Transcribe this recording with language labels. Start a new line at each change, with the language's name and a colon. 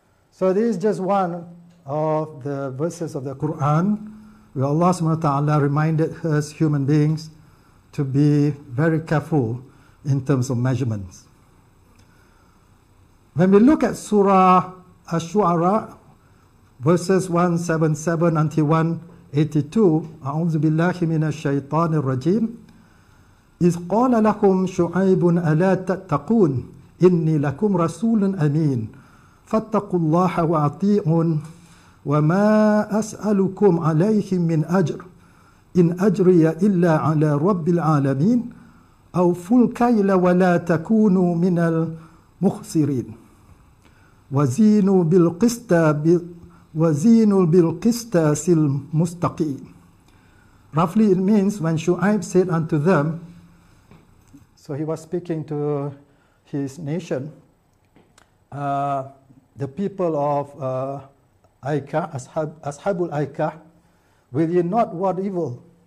English: So this is just one of the verses of the Quran where Allah subhanahu wa ta'ala reminded us human beings to be very careful in terms of measurements. When we look at Surah Ash-Shu'ara, verses 177 until
Arabic: 82, أعوذ بالله من الشيطان الرجيم إذ قال لكم شعيب ألا تتقون إني لكم رسول أمين فاتقوا الله وأطيعون وما أسألكم عليه من أجر إن أجري إلا على رب العالمين أوفوا الكيل ولا تكونوا من المخسرين وزينوا بالقسط المستقيم.
English: Roughly it means when Shu'aib said unto them, so he was speaking to his nation, the people of Aika, Ashabul Aika, will ye not ward evil?